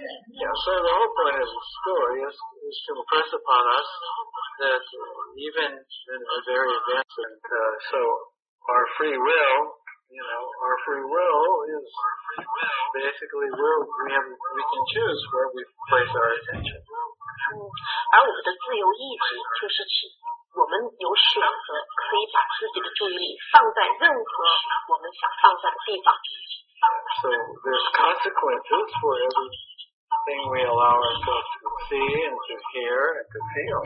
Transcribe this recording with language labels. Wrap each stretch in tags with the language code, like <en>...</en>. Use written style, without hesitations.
<en>Yeah, so the whole point of the story is to impress upon us that even in a very advanced and so our free will our free will is basically where we can choose where we place our attention.</en> <zh>而我们的自由意志就是指我们有选择可以把自己的注意力放在任何我们想放在的地方。</zh> <en>So there's consequences for everything we allow ourselves to see and to hear and to feel.</en>